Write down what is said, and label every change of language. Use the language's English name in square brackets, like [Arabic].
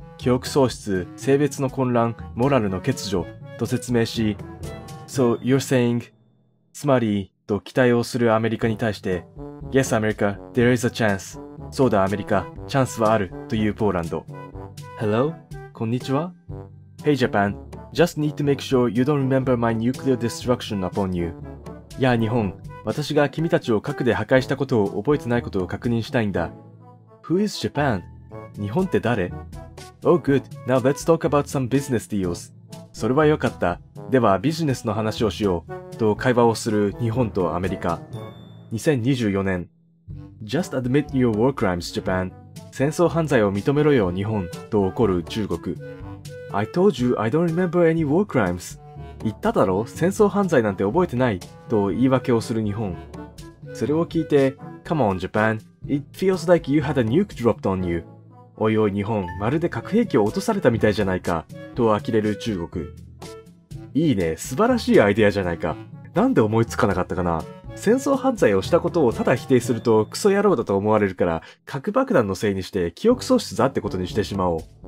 [Japanese] 記憶喪失、性別の混乱、モラルの欠如、と説明し、 [English] So you're saying、 [Japanese] つまり、と期待をするアメリカに対して、 [English] Yes, America, there is a chance. [Japanese] そうだアメリカ、チャンスはある、というポーランド。 [English] Hello? [Japanese] こんにちは。 [English] Hey Japan, just need to make sure you don't remember my nuclear destruction upon you. [Japanese] やあ日本、私が君たちを核で破壊したことを覚えてないことを確認したいんだ。 [English] Who is Japan? [Japanese] 日本って誰？ [English] Oh good, now let's talk about some business deals. [Japanese] それはよかった。ではビジネスの話をしよう。と会話をする日本とアメリカ。 2024年。 [English] Just admit your war crimes, Japan. [Japanese] 戦争犯罪を認めろよ、日本。と怒る中国。 [English] I told you I don't remember any war crimes. [Japanese] 言っただろ、戦争犯罪なんて覚えてない。と言い訳をする日本。それを聞いて、 [English] Come on, Japan. It feels like you had a nuke dropped on you. [Japanese] おいおい日本、まるで核兵器を落とされたみたいじゃないか、と呆れる中国。いいね、素晴らしいアイデアじゃないか。なんで思いつかなかったかな。戦争犯罪をしたことをただ否定するとクソ野郎だと思われるから、核爆弾のせいにして記憶喪失だってことにしてしまおう。